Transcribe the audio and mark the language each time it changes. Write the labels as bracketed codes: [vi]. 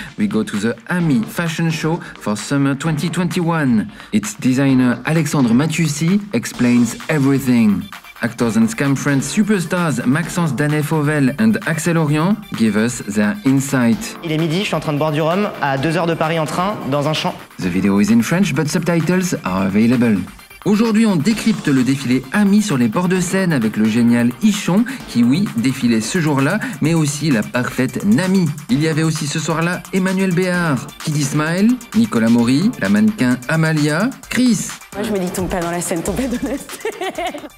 [en] We go to the AMI fashion show for summer 2021. Its designer Alexandre Mathiussi explains everything. Actors and Skam France superstars Maxence Danet Fauvel and Axel Auriant give us their insight. [fr] Il est midi, je suis en train de boire du rhum à 2 heures de Paris en train dans un champ. [en] The video is in French but subtitles are available. [fr] Aujourd'hui, on décrypte le défilé AMI sur les bords de Seine avec le génial Ichon qui, oui, défilait ce jour-là, mais aussi la parfaite Nami. Il y avait aussi ce soir-là Emmanuel Béard, Kid Ismaël, Nicolas Maury, la mannequin Amalia, Chris. Moi, je me dis, tombe pas dans la Seine, tombe pas dans la Seine.